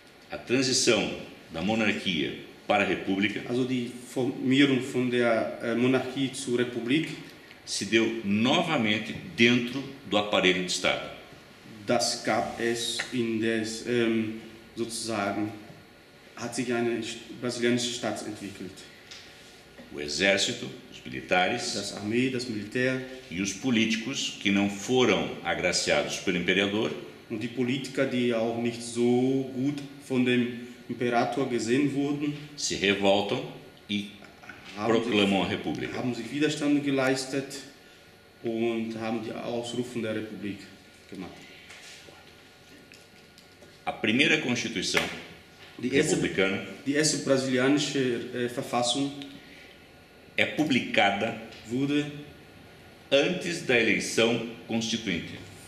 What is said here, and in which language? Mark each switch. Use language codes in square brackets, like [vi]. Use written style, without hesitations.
[pt] A transição da monarquia para a república, [de] also die Formierung von der Monarchie zur Republik, [pt] se deu novamente dentro do aparelho de Estado. [de] Das gab es in des sozusagen hat sich eine brasilianische Staat entwickelt. [pt] O exército, os militares, [de] das Armee, das Militär, [pt] e os políticos que não foram agraciados pelo imperador, [de] und die Politiker, die auch nicht so gut von dem Imperator gesehen wurden, [pt] se revoltam e proclamam a República. [de] Haben sich Widerstand geleistet und haben die Ausrufung der Republik gemacht. [pt] A primeira Constituição republicana, [de] die erste brasilianische Verfassung, [pt] é publicada [de] wurde [pt] antes da eleição constituinte.